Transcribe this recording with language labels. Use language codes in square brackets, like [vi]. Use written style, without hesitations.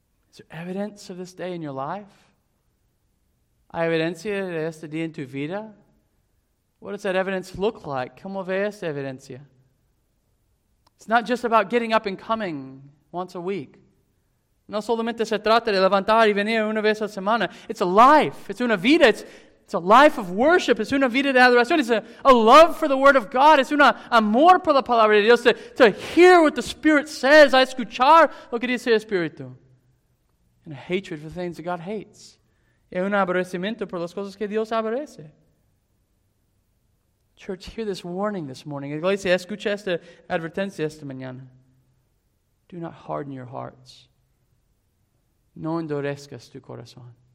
[en] Is there evidence of this day in your life? [es] ¿Hay evidencia de este día en tu vida? [en] What does that evidence look like? [es] ¿Cómo ve esa evidencia? [en] It's not just about getting up and coming once a week. [es] No solamente se trata de levantar y venir una vez a la semana. [en] It's a life. It's [es] una vida. [en] It's a life of worship. It's [es] una vida de adoración. [en] It's a love for the Word of God. It's [es] un amor por la Palabra de Dios. [en] To hear what the Spirit says. [es] A escuchar lo que dice el Espíritu. [en] And a hatred for things that God hates. [es] Y un aborrecimiento por las cosas que Dios aborrece. [en] Church, hear this warning this morning. [es] Iglesia, escucha esta advertencia esta mañana. [en] Do not harden your hearts. [es] No endurezcas tu corazón.